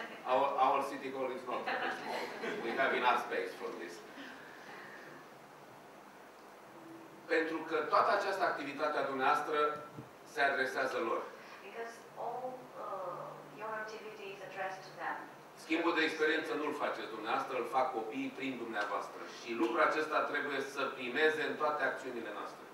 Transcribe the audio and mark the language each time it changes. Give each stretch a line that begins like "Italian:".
English: Our city hall is not too small. We have enough space for this.
Romanian: Pentru că toată această activitate a dumneavoastră se adresează lor.
English: Because all your activity is addressed to them.
Romanian: Schimbul de experiență nu-l faceți dumneavoastră, îl fac copiii prin dumneavoastră. Și lucrul acesta trebuie să primeze în toate acțiunile noastre.